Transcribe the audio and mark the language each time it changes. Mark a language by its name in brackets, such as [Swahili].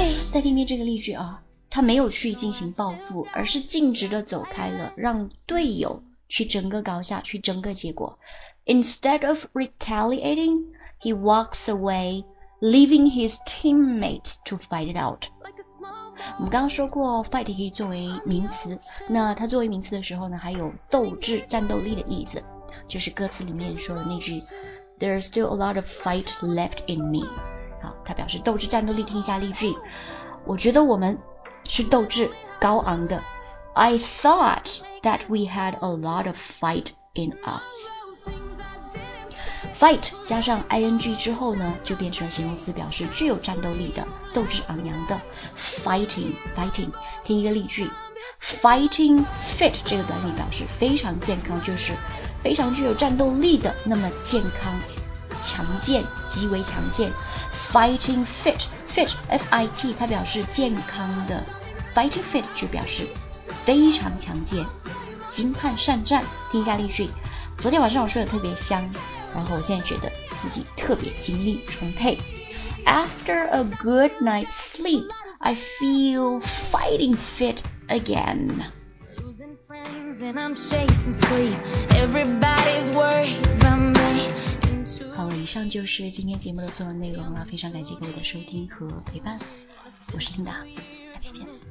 [Chinese] 再听听这个例句啊，他没有去进行报复，而是径直的走开了，让队友去争个高下，去争个结果。 [English] Instead of retaliating, he walks away. Leaving his teammates to fight it out. [Chinese] 我们刚刚说过 fight 可以作为名词，那它作为名词的时候呢，还有斗志、战斗力的意思，就是歌词里面说的那句 [English] There's still a lot of fight left in me. [Chinese] 好，它表示斗志、战斗力。听一下例句，我觉得我们是斗志高昂的。 [English] I thought that we had a lot of fight in us. [Chinese] Fight 加上 ing 之后呢，就变成了形容词，表示具有战斗力的、斗志昂扬的。 [English] Fighting，fighting。 [Chinese] 听一个例句 ，fighting fit 这个短语表示非常健康，就是非常具有战斗力的，那么健康、强健、极为强健。 Fighting fit，fit，F-I-T， 它表示健康的。 Fighting fit 就表示非常强健、精悍善战。听一下例句，昨天晚上我睡得特别香。然后我现在觉得自己特别精力充沛。 [English] After a good night's sleep, I feel fighting fit again. Losing friends and I'm chasing sleep. Everybody's worried about me. [Chinese] 好了，以上就是今天节目的所有内容了。非常感谢各位的收听和陪伴，我是Linda，下期见。